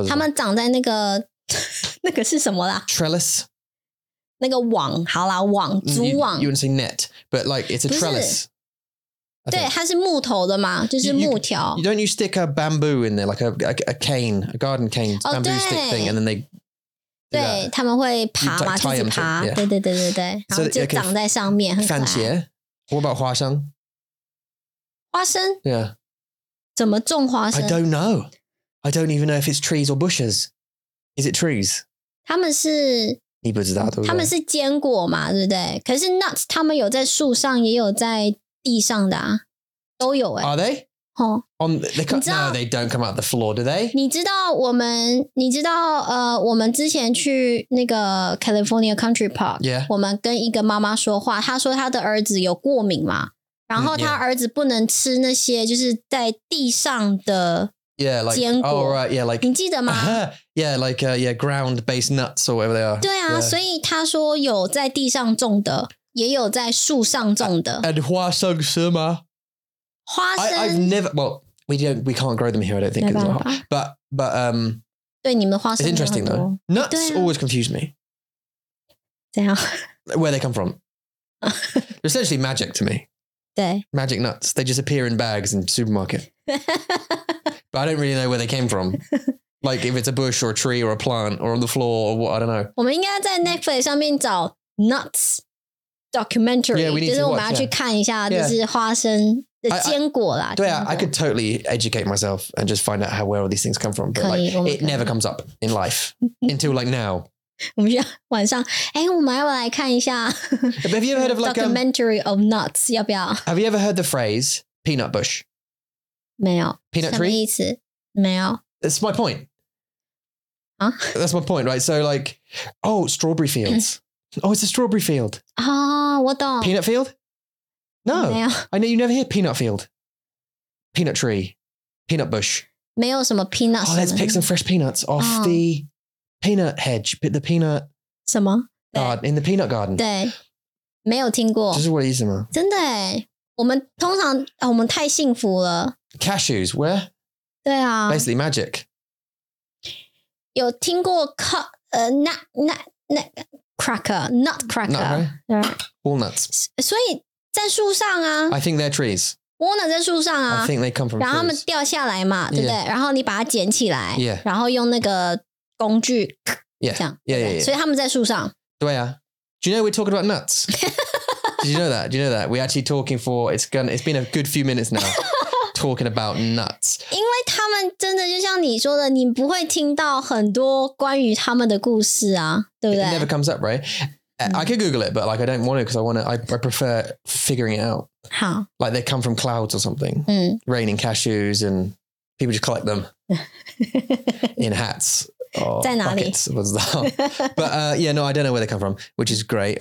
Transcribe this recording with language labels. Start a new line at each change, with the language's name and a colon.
Chinese: 他们长在那个那个是什么啦
English: ？Trellis.
Chinese: 那个网，好啦，网，竹网。
English: You wouldn't say net, but like it's a trellis.
Chinese: 对，它是木头的嘛，就是木条。
English: You don't you stick a bamboo in there, like a cane, a garden cane, bamboo stick thing, and then they.
Chinese: 对，他们会爬嘛，自己爬。对，然后就长在上面，番茄。
English: What about
Chinese: 花生？花生
English: ？Yeah，
Chinese: 怎么种花生
English: ？I don't know. I don't even know if it's trees or bushes. Is it trees？
Chinese: 他们是你不知道对不对？他们是坚果嘛，对不对？可是 nuts， 他们有在树上，也有在地上的啊，都有哎、欸。
English: Are they？哦、 huh? ，they come,
Chinese: 你知道
English: ？No, they don't come out the floor, do they？
Chinese: 你知道我们？你知道我们之前去那个 California Country Park，
English: <Yeah.
Chinese: S 2> 我们跟一个妈妈说话，她说她的儿子有过敏嘛，然后她儿子不能吃那些就是在地上的坚果。
English: Yeah, like, oh, right, yeah, like
Chinese: 你记得吗、
English: Yeah, like yeah, ground based nuts or whatever they are.
Chinese: 对啊，
English: <Yeah.
Chinese: S 2> 所以她说有在地上种的，也有在树上种的。 And 花生吃吗？花生
English: I've never well we can't grow them here I don't think as well but
Chinese: 对你们的花生
English: It's interesting though nuts、欸啊、 always confuse me
Chinese: 怎样
English: where they come from They're essentially magic to me
Chinese: 对
English: magic nuts they just appear in bags in supermarket but I don't really know where they came from like if it's a bush or a tree or a plant or on the floor or what I don't know
Chinese: 我们应该在 Netflix 上面找 nuts documentary
English: yeah, we need
Chinese: 就是我们
English: to watch,
Chinese: 要去看一下、
English: yeah.
Chinese: 就是花生坚果啦对啊
English: I could totally educate myself and just find out how where all these things come from but like it never comes up in life until like now
Chinese: 我们要晚上哎我们要来看一下
English: have you ever heard of like documentary of nuts
Chinese: 要不要
English: have you ever heard the phrase peanut bush
Chinese: 没有
English: peanut tree
Chinese: 什么意思没有
English: that's my point 啊 that's my point right so like oh strawberry fields oh it's a strawberry field
Chinese: 啊我懂
English: peanut field No, I know you never hear peanut field, peanut tree, peanut bush.
Chinese: 没有什么 peanut.
English: Oh, let's pick some fresh peanuts off、oh. the peanut hedge, pick the peanut.
Chinese: 什么
English: garden, In the peanut garden.
Chinese: 对，没有听过。这是我的意思吗？真的哎，我们通常、哦、我们太幸福了。
English: Cashews, where?
Chinese: 对啊。
English: Basically magic.
Chinese: 有听过 cut, 那那那。那那cracker, nutcracker.
English: Nut, right? Yeah. Walnuts.
Chinese: 所以在树上啊。
English: I think they're trees.
Chinese: Walnuts 在树上啊。
English: I think they come from trees.
Chinese: 然后它们掉下来嘛，对不对？
English: Yeah.
Chinese: 然后你把它捡起来。
English: Yeah.
Chinese: 然后用那个工具。
English: Yeah.
Chinese: 这样。
English: Yeah, yeah, yeah, yeah.
Chinese: 所以它们在树上。对啊。
English: Do you know we're talking about nuts? Did you know that? Do you know that? We're actually talking for, it's been a good few minutes now. Talking about nuts.
Chinese: 因为他们真的就像你说的，你不会听到很多关于他们的故事啊，对不对？
English: It never comes up, right? I could Google it, but like I don't want to because I prefer figuring it out.
Chinese: 好。
English: Like they come from clouds or something. Raining cashews and people just collect them in hats. Oh,
Chinese: 在哪里
English: buckets, But yeah, no, I don't know where they come from, which is great.